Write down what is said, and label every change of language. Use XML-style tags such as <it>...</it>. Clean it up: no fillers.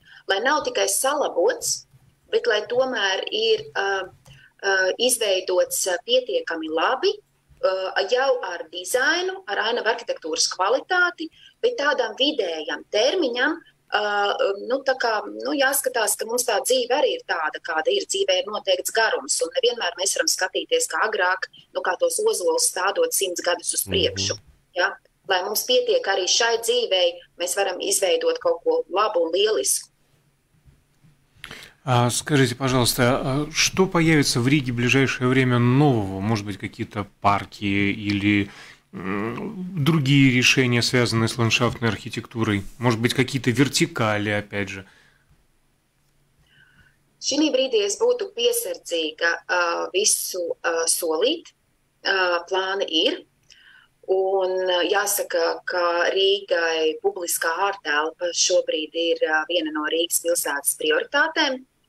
<lv>Lai nav tikai salabots, bet lai tomēr ir izveidots pietiekami labi, jau ar dizainu, ar ainava arhitektūras kvalitāti, bet tādam vidējam termiņam, nu, tā kā, nu, jāskatās, ka mums tā dzīve arī ir tāda, kāda ir, dzīve ir noteikts garums, un nevienmēr mēs varam skatīties, kā agrāk, nu, kā tos ozolus stādot 100 gadus uz priekšu, ja? Lai mums pietiek arī šai dzīvei, mēs varam izveidot kaut ko labu un lielisku.</lv> <ru>Скажите, пожалуйста, что появится в Риге в ближайшее время нового? Может быть, какие-то парки или другие решения, связанные с ландшафтной архитектурой? Может быть, какие-то вертикали, опять же?</ru> <lv>Šī brīdī es būtu piesardzīga visu solīt. Plāni ir. Un jāsaka, ka Rīgai publiskā ārtelpa šobrīd ir viena no Rīgas pilsētas prioritātēm.</lv>